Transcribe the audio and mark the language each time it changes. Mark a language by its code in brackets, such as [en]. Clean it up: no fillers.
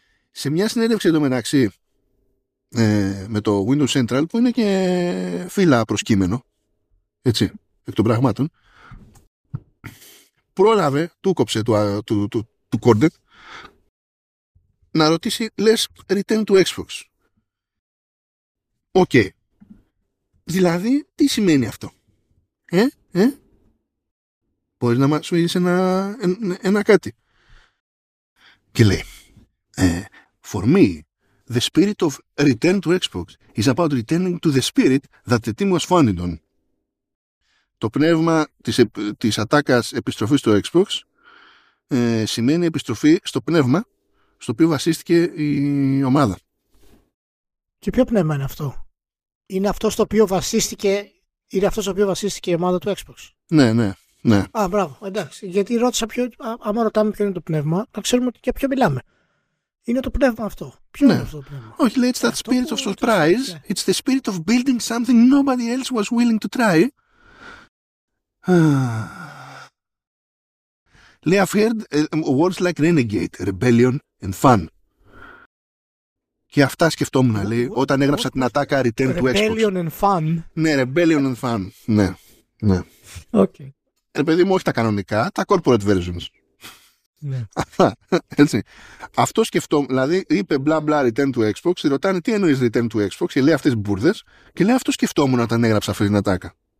[el] Σε μια συνέντευξη εντωμεταξύ με το Windows Central που είναι και φύλλα προσκείμενο, έτσι, εκ των πραγμάτων, πρόλαβε, του κόψε του Κόρντεν, να ρωτήσει, λες, [en] return to Xbox. [el] Οκ. [en] Okay. [el] Δηλαδή, τι σημαίνει αυτό. Μπορείς να σου δεις ένα κάτι. Και λέει, [en] for me, the spirit of return to Xbox is about returning to the spirit that the team was founded on. [el] Το πνεύμα της ατάκας επιστροφής στο Xbox σημαίνει επιστροφή στο πνεύμα στο οποίο βασίστηκε η ομάδα. Και ποιο πνεύμα είναι αυτό? Είναι αυτό στο οποίο βασίστηκε, είναι αυτό στο οποίο βασίστηκε η ομάδα του Xbox? Ναι, ναι, ναι. Α, μπράβο, εντάξει. Γιατί ρώτησα ποιο, άμα ρωτάμε ποιο είναι το πνεύμα, θα ξέρουμε για ποιο μιλάμε. Είναι το πνεύμα αυτό. Ποιο είναι αυτό το πνεύμα? Όχι, λέει, [en] it's that spirit of surprise. [el] Ναι. [en] It's the spirit of building something nobody else was willing to try. [el] Λέει, [en] I've heard words like renegade, rebellion and fun. [el] Και αυτά σκεφτόμουν, λέει, όταν έγραψα την ατάκα [en] return to Xbox. Rebellion and fun. [el] Ναι, [en] rebellion and fun. [el] Ναι, ναι. [en] Okay. [el] Παιδί μου, όχι τα κανονικά, τα [en] corporate versions. [el] Ναι. Έτσι. Αυτό σκεφτόμουν, δηλαδή, είπε μπλα μπλα [en] return to Xbox, [el] ρωτάνε τι εννοείς return to Xbox, και λέει αυτές τις μπουρδες, και λέει αυτό σκεφτόμουν όταν έγραψα αυτή την ατάκα.